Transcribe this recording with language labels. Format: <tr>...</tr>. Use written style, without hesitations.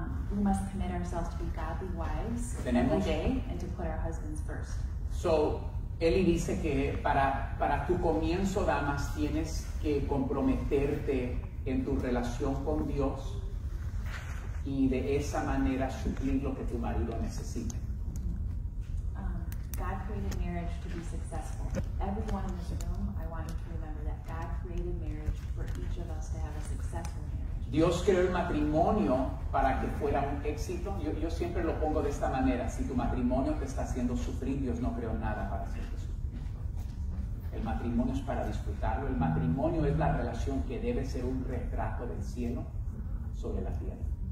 <en>We must commit ourselves to be godly wives every day and to put our husbands first.</en> <es>So, Eli dice que para tu comienzo, damas, tienes que comprometerte en tu relación con Dios y de esa manera suplir lo que tu marido necesite.</es> <en>God created marriage to be successful. Everyone in this room, I want you to remember that God created marriage for each of us to have a successful marriage.</en> <es>Dios creó el matrimonio para que fuera un éxito. Yo siempre lo pongo de esta manera. Si tu matrimonio te está haciendo sufrir, Dios no creó nada para hacerte sufrir. El matrimonio es para disfrutarlo. El matrimonio es la relación que debe ser un retrato del cielo sobre la tierra.</es>